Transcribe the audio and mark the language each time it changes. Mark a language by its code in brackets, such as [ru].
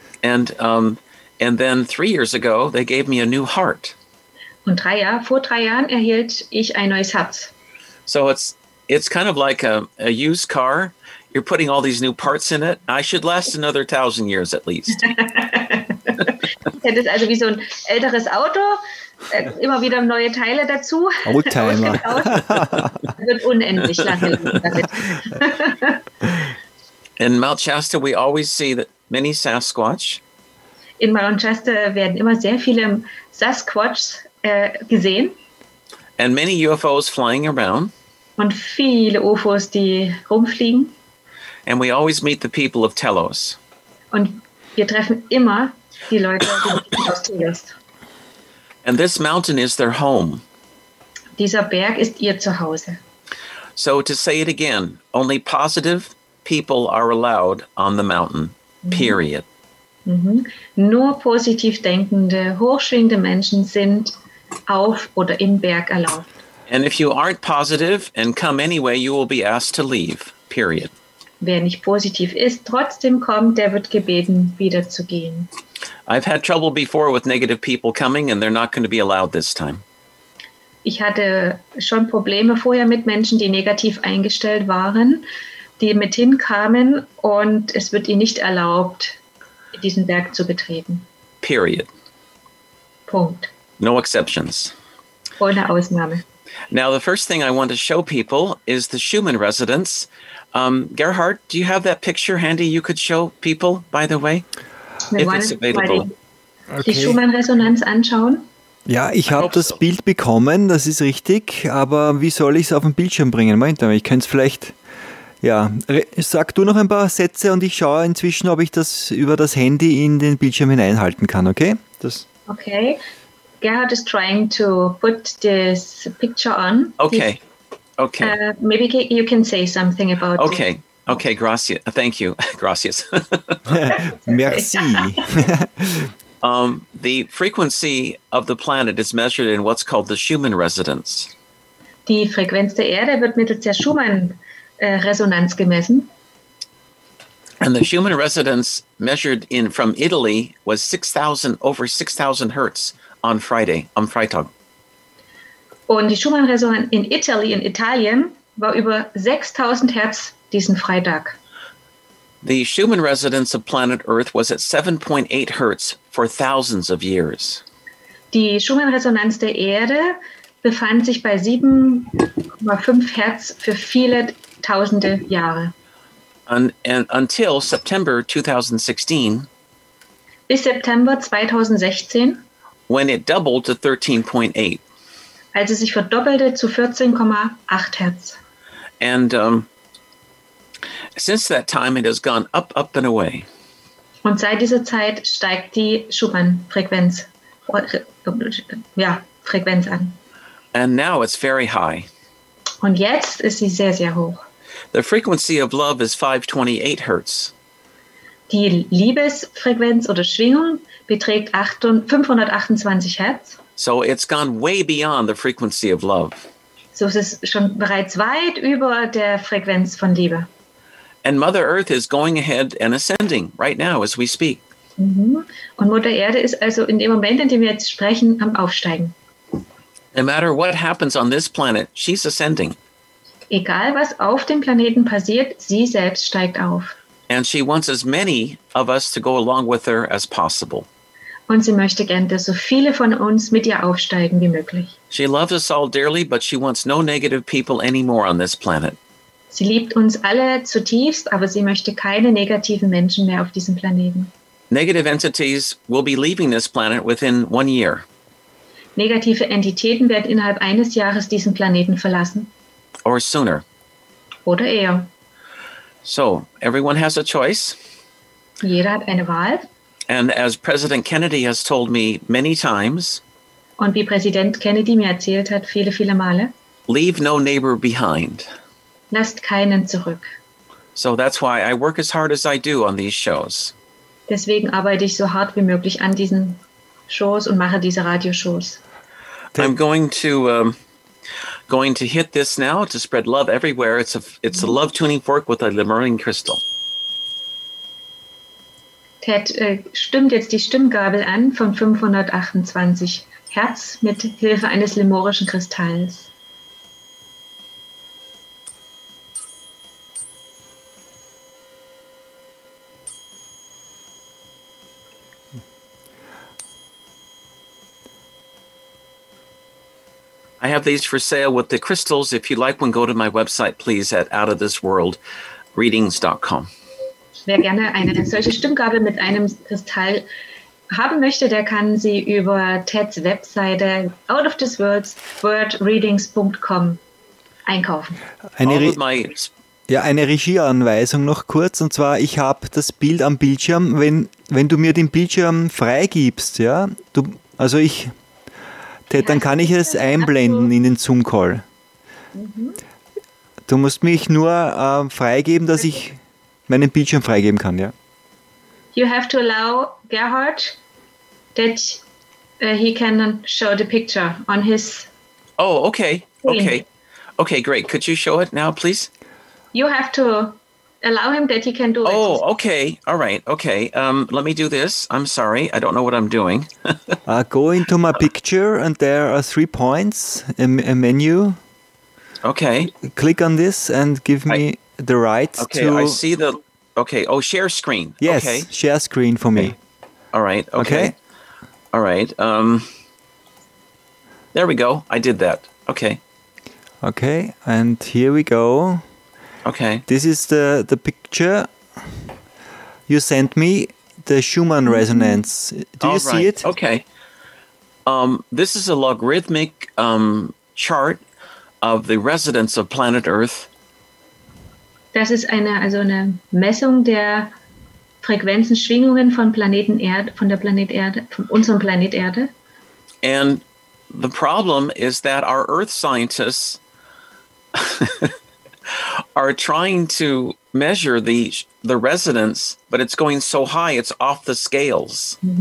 [en] And then 3 years ago, they gave me a new heart. [de] Und vor drei Jahren erhielt ich ein neues Herz. [en] So it's kind of like a used car. You're putting all these new parts in it. I should last another 1,000 years at least. [de] Das ist also wie so ein älteres Auto, immer wieder neue Teile dazu. Oldtimer. Wird unendlich lange leben damit. [en] In Mount Shasta, we always see that many Sasquatch. [de] In Mount Shasta werden immer sehr viele Sasquatch gesehen. [en] And many UFOs flying around. [de] Und viele UFOs, die rumfliegen. [en] And we always meet the people of Telos. [de] Und wir treffen immer die Leute aus Telos. [en] And this mountain is their home. [de] Dieser Berg ist ihr Zuhause. [en] So to say it again, only positive people are allowed on the mountain, period. Mm-hmm. [de] Nur positiv denkende, hochschwingende Menschen sind auf oder im Berg erlaubt. [en] And if you aren't positive and come anyway, you will be asked to leave, period. [de] Wer nicht positiv ist, trotzdem kommt, der wird gebeten, wieder zu gehen. [en] I've had trouble before with negative people coming and they're not going to be allowed this time. [de] Ich hatte schon Probleme vorher mit Menschen, die negativ eingestellt waren, die mit hinkamen und es wird ihnen nicht erlaubt, diesen Berg zu betreten. [en] Period. [de] Punkt. [en] No exceptions. [de] Ohne Ausnahme. [en] Now the first thing I want to show people is the Schumann residence. Gerhard, do you have that picture handy you could show people, by the way, if it's available? [de] Die Schumann-Resonanz anschauen? Ja, ich habe das Bild bekommen, das ist richtig, aber wie soll ich es auf den Bildschirm bringen? Moment, ich könnte es vielleicht, ja, sag du noch ein paar Sätze und ich schaue inzwischen, ob ich das über das Handy in den Bildschirm hineinhalten kann, okay? [en] Okay, Gerhard is trying to put this picture on. Okay. Okay. Maybe you can say something about it. Okay. Okay. [es] Gracias. [en] Thank you. [es] Gracias. [fr] Merci. [en] The frequency of the planet is measured in what's called the Schumann resonance. [de] Die Frequenz der Erde wird mittels der Schumann-Resonanz gemessen. [en] And the Schumann resonance measured in from Italy was 6,000 over 6,000 hertz on Friday, on [de] Freitag. Und die Schumann-Resonanz in Italien war über 6000 Hertz diesen Freitag. [en] The Schumann resonance of planet Earth was at 7.8 Hertz for thousands of years. [de] Die Schumann-Resonanz der Erde befand sich bei 7,5 Hertz für viele tausende Jahre. [en] And until September 2016. [de] Bis September 2016. [en] When it doubled to 13.8. [de] Als es sich verdoppelte zu 14,8 Hertz. [en] And since that time it has gone up, up and away. [de] Und seit dieser Zeit steigt die Schumann-Frequenz, Frequenz an. [en] And now it's very high. [de] Und jetzt ist sie sehr, sehr hoch. [en] The frequency of love is 528 Hertz. [de] Die Liebesfrequenz oder Schwingung beträgt 528 Hertz. [en] So it's gone way beyond the frequency of love. [de] So ist es schon bereits weit über der Frequenz von Liebe. [en] And Mother Earth is going ahead and ascending right now as we speak. [de] Und Mutter Erde ist also in dem Moment, in dem wir jetzt sprechen, am Aufsteigen. [en] No matter what happens on this planet, she's ascending. [de] Egal was auf dem Planeten passiert, sie selbst steigt auf. [en] And she wants as many of us to go along with her as possible. [de] Und sie möchte gern, dass so viele von uns mit ihr aufsteigen wie möglich. [en] She loves us all dearly, but she wants no negative people anymore on this planet. [de] Sie liebt uns alle zutiefst, aber sie möchte keine negativen Menschen mehr auf diesem Planeten. [en] Negative entities will be leaving this planet within 1 year. [de] Negative Entitäten werden innerhalb eines Jahres diesen Planeten verlassen. [en] Or sooner. [de] Oder eher. [en] So, everyone has a choice. [de] Jeder hat eine Wahl. [en] And as President Kennedy has told me many times, [de] und wie Präsident Kennedy mir erzählt hat, viele, viele Male, [en] leave no neighbor behind. [de] Lasst keinen zurück. [en] So that's why I work as hard as I do on these shows. [de] Deswegen arbeite ich so hart wie möglich an diesen Shows und mache diese Radioshows. [en] I'm going to hit this now to spread love everywhere. It's a love tuning fork with a Lemurian crystal. [de] Ted stimmt jetzt die Stimmgabel an von 528 Hertz mit Hilfe eines lemurischen Kristalls. [en] I have these for sale with the crystals. If you like one, go to my website, please, at outofthisworldreadings.com. [de] Wer gerne eine solche Stimmgabel mit einem Kristall haben möchte, der kann sie über Teds Webseite outofthisworldreadings.com einkaufen. Eine Regieanweisung noch kurz, und zwar, ich habe das Bild am Bildschirm. Wenn du mir den Bildschirm freigibst, ja, du, also ich, Ted, dann kann ich es einblenden in den Zoom-Call. Du musst mich nur freigeben, dass ich meinen Bildschirm freigeben kann, ja. [en] You have to allow Gerhard that he can show the picture on his... Oh, okay, okay. Okay, great. Could you show it now, please? You have to allow him that he can do it. Oh, okay, all right, okay. Let me do this. I'm sorry, I don't know what I'm doing. go into my picture and there are 3 points, a menu. Okay. Click on this and give me... the right okay, to... Okay, I see the... Okay, oh, share screen. Yes, okay. Share screen for me. Okay. All right, okay. All right. There we go. I did that. Okay. Okay, and here we go. Okay. This is the picture you sent me, the Schumann resonance. Do all you right. see it? Okay. This is a logarithmic chart of the residence of planet Earth. [de] Das ist eine Messung der Frequenzen, Schwingungen von Planeten Erde, von der Planet Erde, von unserem Planet Erde. [en] And the problem is that our Earth scientists are trying to measure the resonance, but it's going so high, it's off the scales.